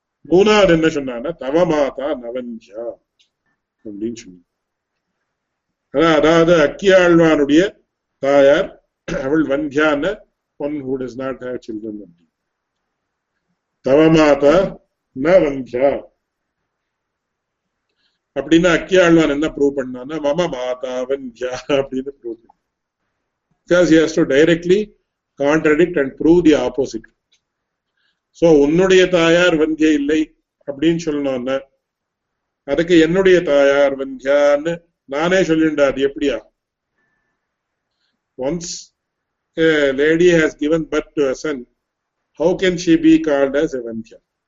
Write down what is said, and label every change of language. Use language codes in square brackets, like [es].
[ta] மூணாவது என்ன சொன்னான்னா தவமாதா நவந்தியா அப்படின்னு சொன்னா, அதாவது அக்கியாழ்வானுடைய தாயார் அவள் வந்தியான்னு [en] one who does not have children [ta] அப்படின்னு. தவமாதா நவந்தியா அப்படின்னா அக்கியாழ்வான் என்ன ப்ரூவ் பண்ணான்னா மம மாதா வந்தியா அப்படின்னு ப்ரூவ் பண்ண. [en] Because he has to directly contradict and prove the opposite. [ta] So, உன்னுடைய தாயார் வந்தியா இல்லை அப்படின்னு சொல்லணும்னா அதுக்கு என்னுடைய தாயார் வந்தியான்னு நானே சொல்லிண்டா அது எப்படியா? [en] Once a lady has given birth to a son, how can she be called as a vandhya?